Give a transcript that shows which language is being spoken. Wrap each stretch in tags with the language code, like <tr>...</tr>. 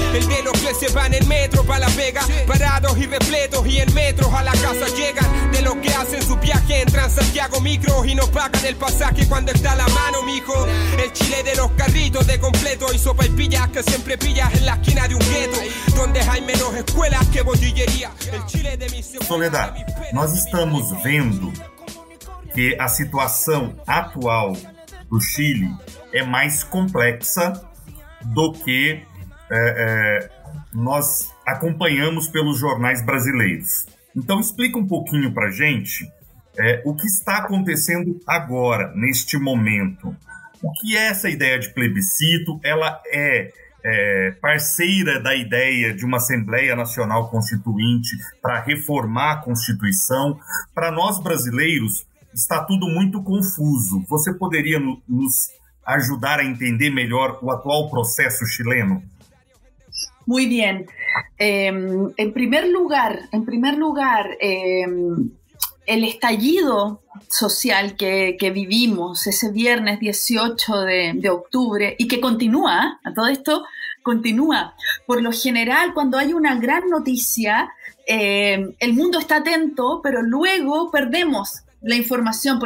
<es>El de los que se van en metro pa' la pega, parados y repletos y en metros a la casa llegan. De los que hacen su viaje en Transantiago micro y no pagan el pasaje cuando está a la mano, mijo. El Chile de los carritos de completo y sopa y pillas, que siempre pillas en la esquina de un gueto, donde há menos escuelas que botillería. El Chile de mi</es> <pt>Soledad, nós estamos vendo que a situação atual do Chile é mais complexa do que nós acompanhamos pelos jornais brasileiros. Então explica um pouquinho pra gente o que está acontecendo agora, neste momento. O que é essa ideia de plebiscito? Ela é parceira da ideia de uma Assembleia Nacional Constituinte para reformar a Constituição. Para nós brasileiros, está tudo muito confuso. Você poderia nos ajudar a entender melhor o atual processo chileno? Muito bem. Em primeiro lugar,</pt> <es>el estallido social que vivimos ese viernes 18 de octubre, y que continúa, a todo esto continúa. Por lo general, cuando hay una gran noticia, el mundo está atento, pero luego perdemos la información.</es>